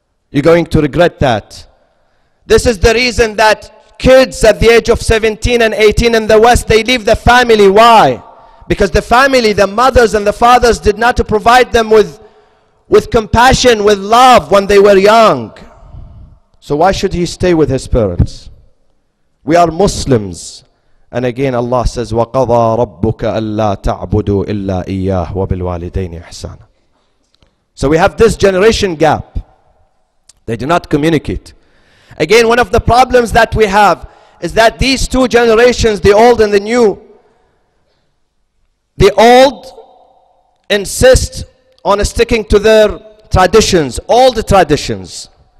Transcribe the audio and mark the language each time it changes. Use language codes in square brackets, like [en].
[en] You're going to regret that. This is the reason that kids at the age of 17 and 18 in the West, they leave the family. Why? Because the family, the mothers and the fathers did not provide them with compassion, with love when they were young. So why should he stay with his parents? We are Muslims. And again Allah says, [ar] وَقَضَى رَبُّكَ أَلَّا تَعْبُدُوا إِلَّا إِيَّاهُ وَبِالْوَالِدَيْنِ إِحْسَانًا. [en] So we have this generation gap. They do not communicate. Again, one of the problems that we have is that these two generations, the old and the new, the old insist on sticking to their traditions, old traditions.